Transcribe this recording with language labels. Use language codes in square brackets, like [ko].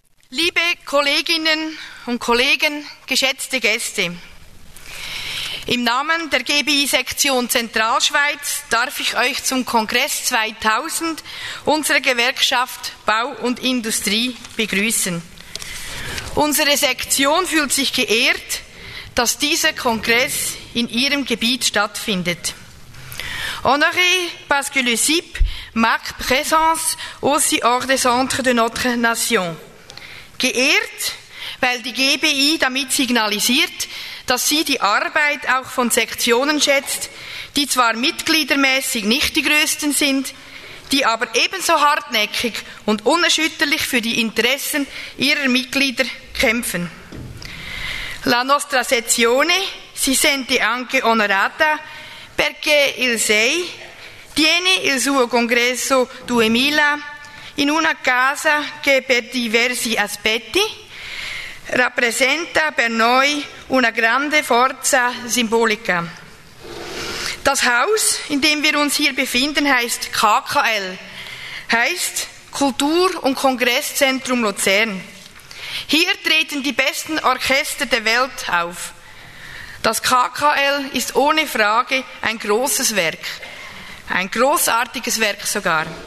[de] Liebe Kolleginnen und Kollegen, geschätzte Gäste, im Namen der GBI-Sektion Zentralschweiz darf ich euch zum Kongress 2000 unserer Gewerkschaft Bau und Industrie begrüßen. Unsere Sektion fühlt sich geehrt, dass dieser Kongress in ihrem Gebiet stattfindet. [fr] Honoré parce que le CIP marque présence aussi hors des centres de notre nation. [de] Geehrt, weil die GBI damit signalisiert, dass sie die Arbeit auch von Sektionen schätzt, die zwar mitgliedermäßig nicht die größten sind, die aber ebenso hartnäckig und unerschütterlich für die Interessen ihrer Mitglieder kämpfen. [it] La nostra sezione si sente anche onorata perché il SEI tiene il suo congresso 2000 in una casa che per diversi aspetti rappresenta per noi una grande forza simbolica. [de] Das Haus, in dem wir uns hier befinden, heißt KKL, heißt Kultur- und Kongresszentrum Luzern. Hier treten die besten Orchester der Welt auf. Das KKL ist ohne Frage ein großes Werk, ein großartiges Werk sogar.